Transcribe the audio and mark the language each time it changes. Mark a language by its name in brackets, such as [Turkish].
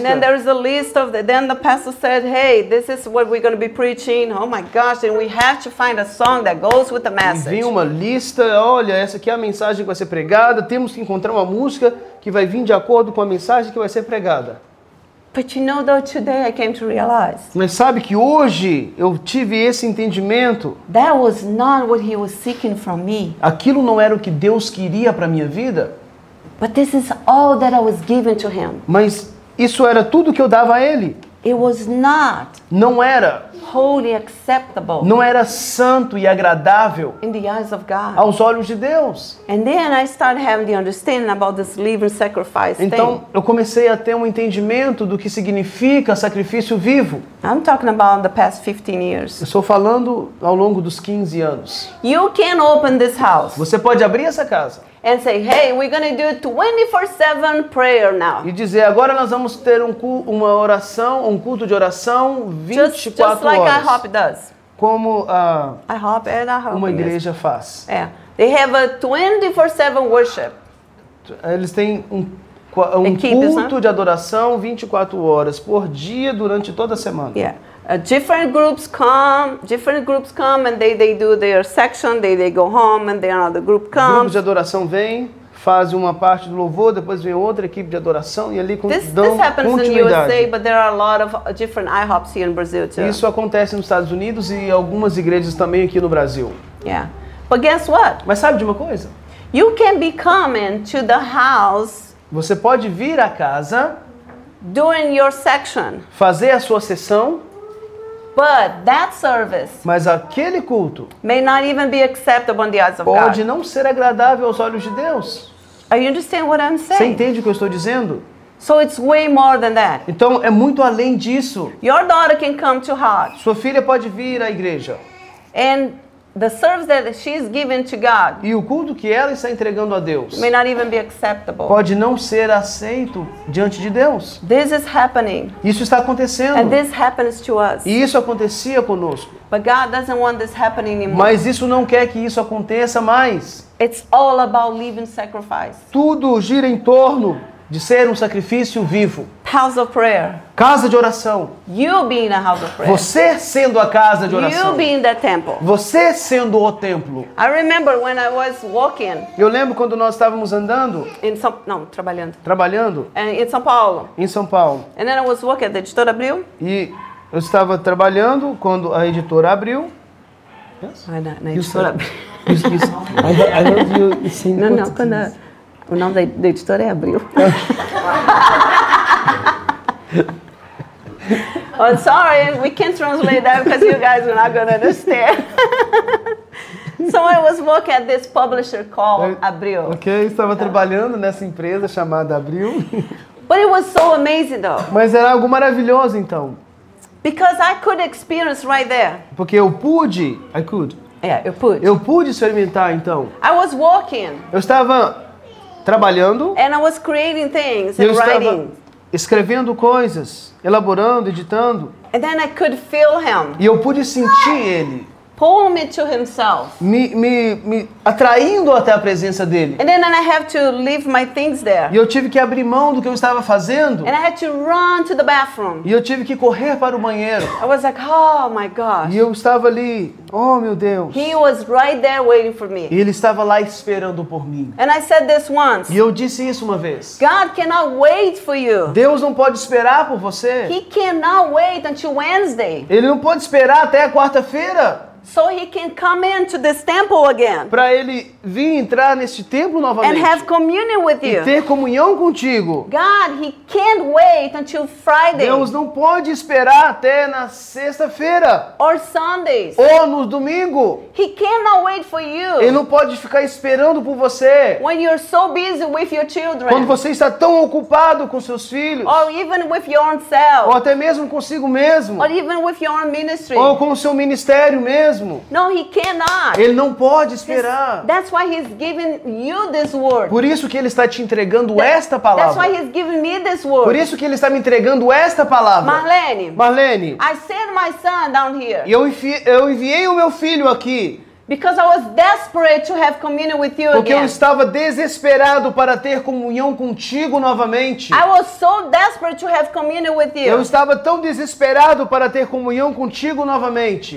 [English] And then there is a list of then the pastor said, "Hey, this is what we're going to be preaching. Oh my gosh, and we have to find a song that goes with the message." [Portuguese] Vinha uma lista. Olha, essa aqui é a mensagem que vai ser pregada. Temos que encontrar uma música que vai vir de acordo com a mensagem que vai ser pregada. [English] But you know, though, today I came to realize. [Portuguese] Mas sabe que hoje eu tive esse entendimento. [English] That was not what he was seeking from me. [Portuguese] Aquilo não era o que Deus queria para minha vida. [English] But this is all that I was given to him. [Portuguese] Mas isso era tudo que eu dava a ele. [English] It was not. [Portuguese] Não era. [English] Holy, acceptable. [Portuguese] Não era santo e agradável. [English] In the eyes of God. [Portuguese] Aos olhos de Deus. [English] And then I started having the understanding about this living sacrifice. [Portuguese] Então, [English] thing. [Portuguese] Eu comecei a ter um entendimento do que significa sacrifício vivo. [English] I'm talking about the past 15 years. [Portuguese] Eu estou falando ao longo dos 15 anos. [English] You can open this house. [Portuguese] Você pode abrir essa casa. [English] And say, hey, we're going to do 24/7 prayer now. [Portuguese] E dizer, agora nós vamos ter uma oração, um culto de oração 24 [English] just like [Portuguese] horas. [English] Just like IHOP does. [Portuguese] Como [English] IHOP and IHOP [Portuguese] uma igreja faz. [English] Yeah. They have a 24/7 worship. [Portuguese] Eles têm culto de adoração 24 horas por dia durante toda a semana. [English] Yeah. Different groups come and they do their section, they go home and then another group comes. [Portuguese] Grupos de adoração vêm, fazem uma parte do louvor, depois vem outra equipe de adoração e ali dão continuidade. [English] This happens in USA, but there are a lot of different IHOPs here in Brazil too. [Portuguese] Isso acontece nos Estados Unidos e algumas igrejas também aqui no Brasil. [English] Yeah. But guess what? [Portuguese] Mas sabe de uma coisa? [English] You can be coming to the house. [Portuguese] Você pode vir à casa [English] during your section. [Portuguese] Fazer a sua sessão. [English] But that service. [Portuguese] Mas aquele culto [English] may not even be acceptable in the eyes of God. [Portuguese] Pode não ser agradável aos olhos de Deus. [English] You understand what I'm saying? [Portuguese] Você entende o que eu estou dizendo? [English] So it's way more than that. [Portuguese] Então é muito além disso. [English] Your daughter can come to heart. [Portuguese] Sua filha pode vir à igreja. [English] And the service that she's given to God. [Portuguese] E o culto que ela está entregando a Deus. [English] May not even be acceptable. [Portuguese] Pode não ser aceito diante de Deus. [English] This is happening. [Portuguese] Isso está acontecendo. [English] And this happens to us. [Portuguese] E isso acontecia conosco. [English] But God doesn't want this happening anymore. [Portuguese] Mas isso não quer que isso aconteça mais. [English] It's all about living sacrifice. [Portuguese] Tudo gira em torno de ser um sacrifício vivo. [English] House of prayer. [Portuguese] Casa de oração. [English] You being a house of prayer. [Portuguese] Você sendo a casa de oração. [English] You being the temple. [Portuguese] Você sendo o templo. [English] I remember when I was walking. [Portuguese] Eu lembro quando nós estávamos andando. Trabalhando. Trabalhando. [English] And in São Paulo. [Portuguese] Em São Paulo. [English] And then I was working at the Editora Abril. [Portuguese] E eu estava trabalhando quando a Editora Abriu. [English] Yes. [Portuguese] Na Editora Abril. [English] I love you. [Portuguese] Não, quando o nome da Editora é Abril. [English] Oh, sorry, we can't translate that because you guys are not going to understand. So I was working at this publisher called Abril. [Portuguese] Okay, estava trabalhando nessa empresa chamada Abril. [English] But it was so amazing though. [Portuguese] Mas era algo maravilhoso então. [English] Because I could experience right there. [Portuguese] Porque eu pude. [English] I could. [Portuguese] Yeah, eu pude. Eu pude experimentar então. [English] I was working. [Portuguese] Eu estava trabalhando. [English] And I was creating things and writing. [Portuguese] Escrevendo coisas, elaborando, editando. [English] And then I could feel him. [Portuguese] E eu pude sentir ele. [English] Pull me to himself. [Portuguese] Me atraindo até a presença dele. [English] And then I have to leave my things there. [Portuguese] E eu tive que abrir mão do que eu estava fazendo. [English] And I had to run to the bathroom. [Portuguese] E eu tive que correr para o banheiro. [English] I was like, oh my gosh. [Portuguese] E eu estava ali, oh meu Deus. [English] He was right there waiting for me. [Portuguese] E ele estava lá esperando por mim. [English] And I said this once. [Portuguese] E eu disse isso uma vez. [English] God cannot wait for you. [Portuguese] Deus não pode esperar por você. [English] He cannot wait until Wednesday. [Portuguese] Ele não pode esperar até a quarta-feira. [English] So he can come into this temple again. [Portuguese] Para ele vir entrar neste templo novamente. [English] And have communion with you. [Portuguese] E ter comunhão contigo. [English] God, he can't wait until Friday. [Portuguese] Deus não pode esperar até na sexta-feira. [English] Or Sundays. [Portuguese] Ou no domingo. [English] He cannot wait for you. [Portuguese] Ele não pode ficar esperando por você. [English] When you're so busy with your children. [Portuguese] Quando você está tão ocupado com seus filhos. [English] Or even with your own self. [Portuguese] Ou até mesmo consigo mesmo. [English] Or even with your own ministry. [Portuguese] Ou com o seu ministério mesmo. [English] No, he cannot. [Portuguese] Ele não pode esperar. [English] That's why he's giving you this word. [Portuguese] Por isso que ele está te entregando esta palavra. [English] That's why he's giving me this word. [Portuguese] Por isso que ele está me entregando esta palavra. [English] Marlene. I sent my son down here. [Portuguese] E eu enviei o meu filho aqui. [English] Because I was desperate to have communion with you again. [Portuguese] Porque eu estava desesperado para ter comunhão contigo novamente. [English] I was so desperate to have communion with you. [Portuguese] Eu estava tão desesperado para ter comunhão contigo novamente.